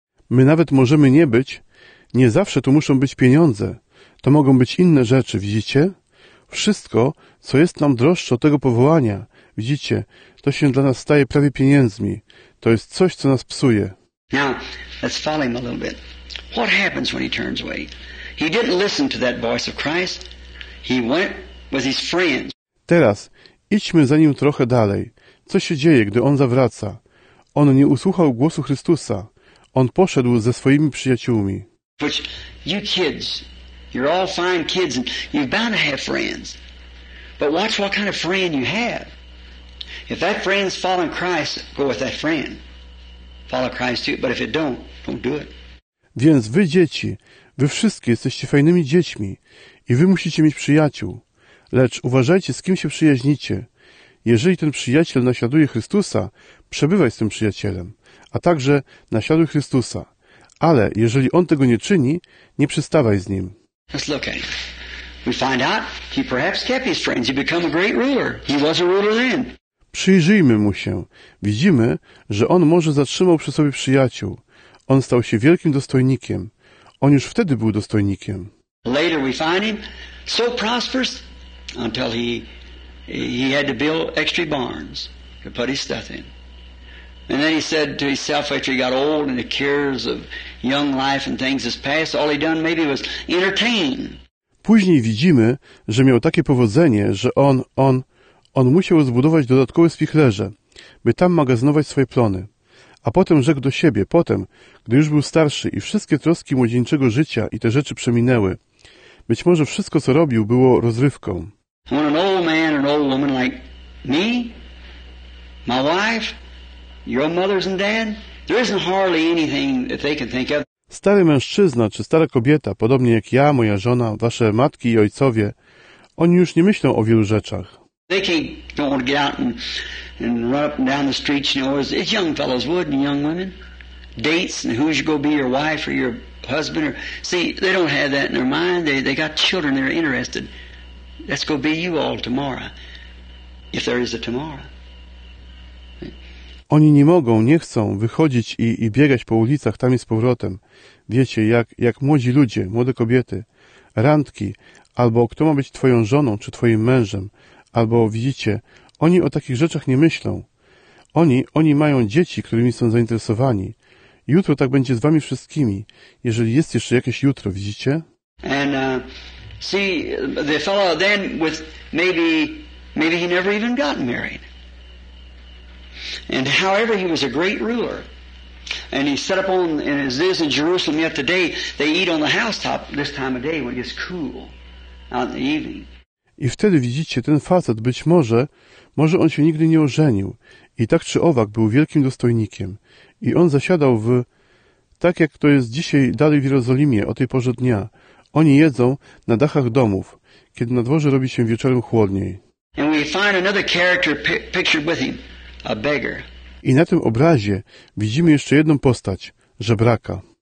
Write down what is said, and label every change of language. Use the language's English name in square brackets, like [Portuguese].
[Polish] My nawet możemy nie być, nie zawsze to muszą być pieniądze, to mogą być inne rzeczy, widzicie? Wszystko, co jest nam droższe od tego powołania, widzicie, to się dla nas staje prawie pieniędzmi. To jest coś, co nas psuje. [English] Now, let's follow him a little bit. What happens when he turns away? He didn't listen to that voice of Christ. He went with his friends. [Polish] Teraz, idźmy za nim trochę dalej. Co się dzieje, gdy on zawraca? On nie usłuchał głosu Chrystusa. On poszedł ze swoimi przyjaciółmi. [English] Which you kids... You're all fine kids and you're bound to have friends. But watch what kind of friend you have. If that friend's following Christ, go with that friend. Follow Christ too, but if it don't do it. [Polish] Więc wy dzieci, wy wszystkie jesteście fajnymi dziećmi i wy musicie mieć przyjaciół. Lecz uważajcie, z kim się przyjaźnicie. Jeżeli ten przyjaciel naśladuje Chrystusa, przebywaj z tym przyjacielem, a także naśladuj Chrystusa. Ale jeżeli on tego nie czyni, nie przystawaj z nim. [English] Let's look at it. We find out he perhaps kept his friends. He became a great ruler. He was a ruler then. [Polish] Przyjrzyjmy mu się. Widzimy, że on może zatrzymał przy sobie przyjaciół. On stał się wielkim dostojnikiem. On już wtedy był dostojnikiem. [English] Later we find him so prosperous until he had to build extra barns to put his stuff in. And then he said to himself after he got old and the cares of young life and things has passed, all he done maybe was entertain. [Polish] Później widzimy, że miał takie powodzenie, że on musiał zbudować dodatkowe spichlerze, by tam magazynować swoje plony. A potem rzekł do siebie, potem, gdy już był starszy i wszystkie troski młodzieńczego życia i te rzeczy przeminęły, być może wszystko, co robił, było rozrywką. [English] When an old man, an old woman like me, my wife, your mothers and dad, there isn't hardly anything that they can think of. [Polish] Stary mężczyzna czy stara kobieta, podobnie jak ja, moja żona, wasze matki i ojcowie, oni już nie myślą o wielu rzeczach. [English] They can't want to get out and run up and down the streets, you know, as young fellows would and young women. Dates and who's going to be your wife or your husband. Or, see, they don't have that in their mind. They got children they're interested. That's going to be you all tomorrow, if there is a tomorrow. [Polish] Oni nie mogą, nie chcą wychodzić i biegać po ulicach tam i z powrotem. Wiecie, jak młodzi ludzie, młode kobiety, randki, albo kto ma być twoją żoną czy twoim mężem, albo widzicie, oni o takich rzeczach nie myślą. Oni mają dzieci, którymi są zainteresowani. Jutro tak będzie z wami wszystkimi, jeżeli jest jeszcze jakieś jutro, widzicie? [English] And see, the fellow then with maybe he never even got married. And however, he was a great ruler, and he set up on and as is in Jerusalem yet today, they eat on the housetop this time of day when it gets cool out in the evening. [Polish] I wtedy widzicie, ten facet być może on się nigdy nie ożenił i tak czy owak był wielkim dostojnikiem i on zasiadał w tak jak to jest dzisiaj dalej w Jerozolimie o tej porze dnia. Oni jedzą na dachach domów, kiedy na dworze robi się wieczorem chłodniej. [English] And we find another character pictured with him. A beggar. [Polish] I na tym obrazie widzimy jeszcze jedną postać, żebraka.